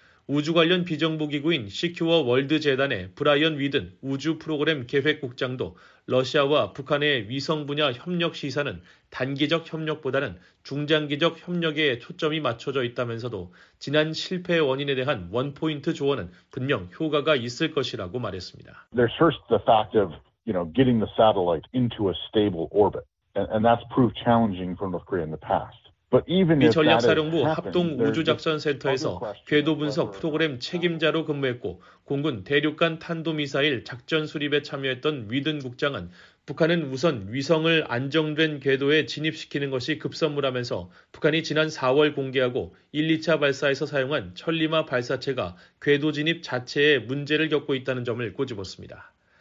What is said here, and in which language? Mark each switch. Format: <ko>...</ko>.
<ko>우주 관련 비정부기구인 시큐어 월드재단의 브라이언 위든 우주 프로그램 계획국장도 러시아와 북한의 위성 분야 협력 시사는 단기적 협력보다는 중장기적 협력에 초점이 맞춰져 있다면서도 지난 실패의 원인에 대한 원포인트 조언은 분명 효과가 있을 것이라고 말했습니다.</ko> <en>There's first the fact of, you know, getting the satellite into a stable orbit. And that's proved challenging for North Korea in the past.</en> <ko>미 전략사령부 합동우주작전센터에서 궤도분석 프로그램 책임자로 근무했고 공군 대륙간 탄도미사일 작전 수립에 참여했던 위든 국장은 북한은 우선 위성을 안정된 궤도에 진입시키는 것이 급선무라면서 북한이 지난 4월 공개하고 1, 2차 발사에서 사용한 천리마 발사체가 궤도 진입 자체에 문제를 겪고 있다는 점을 꼬집었습니다.</ko>